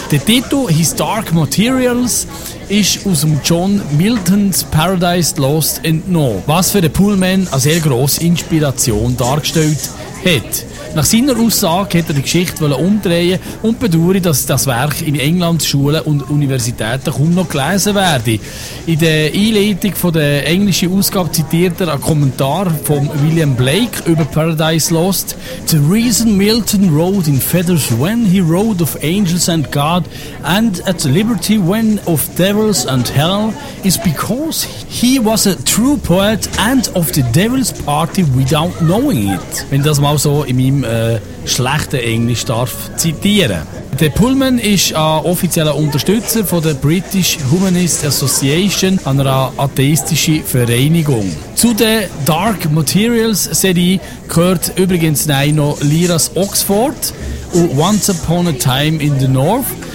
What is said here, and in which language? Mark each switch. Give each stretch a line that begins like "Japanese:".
German: Der Titel «His Dark Materials» ist aus dem John Miltons «Paradise Lost and No», was für den Pullman eine sehr grosse Inspiration dargestellt hat. Nach seiner Aussage wollte er die Geschichte umdrehen und bedauere, dass das Werk in Englands Schulen und Universitäten kaum noch gelesen werde. In der Einleitung von der englischen Ausgabe zitiert er einen Kommentar von William Blake über Paradise Lost.
English: «The reason Milton wrote in feathers when he wrote of angels and God and at liberty when of devils and hell is because he was a true poet and of the devil's party without knowing it.»
German: Wenn das mal so in meinem schlechten Englisch darf zitieren. Der Pullman ist ein offizieller Unterstützer von der British Humanist Association, einer atheistischen Vereinigung. Zu der Dark Materials Serie gehört übrigens noch Lyra's Oxford und Once Upon a Time in the North.